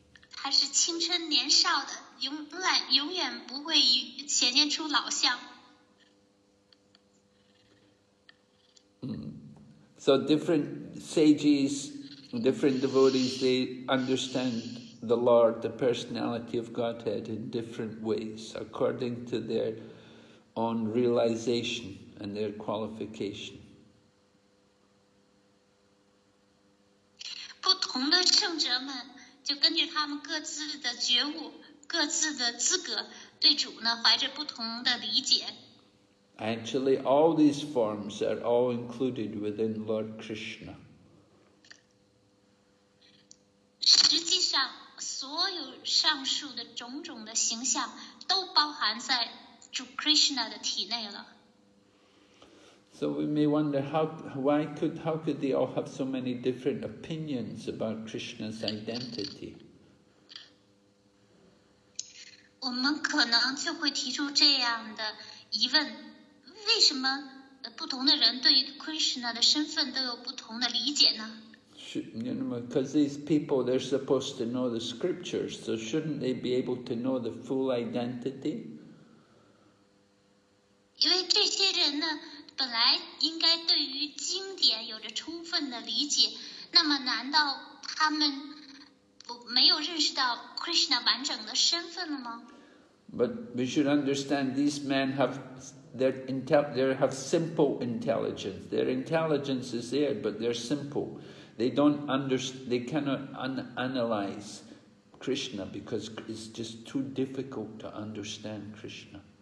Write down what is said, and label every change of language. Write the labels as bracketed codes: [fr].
[zh] 他是青春年少的，永远不会显现出老相。 [en] So different sages, different devotees, they understand the Lord, the personality of Godhead, in different ways, according to their own realization and their qualification. [zh] 不同的圣者们。就根据他们各自的觉悟、各自的资格，对主呢怀着不同的理解。 [en] Actually, all these forms are all included within Lord Krishna. [zh] 实际上，所有上述的种种的形象都包含在主 Krishna 的体内了。 [en] So we may wonder how could they all have so many different opinions about Krishna's identity? [zh] 我们可能就会提出这样的疑问：为什么不同的人对 Krishna 的身份都有不同的理解呢？ [en] Because these people, they're supposed to know the scriptures, so shouldn't they be able to know the full identity? [zh] 因为这些人呢，本来应该对于经典有着充分的理解，那么难道他们不没有认识到 Krishna 完整的身份了吗？ [en] But we should understand these men have simple intelligence. Their intelligence is there, but they're simple. They cannot analyze Krishna because it's just too difficult to understand Krishna.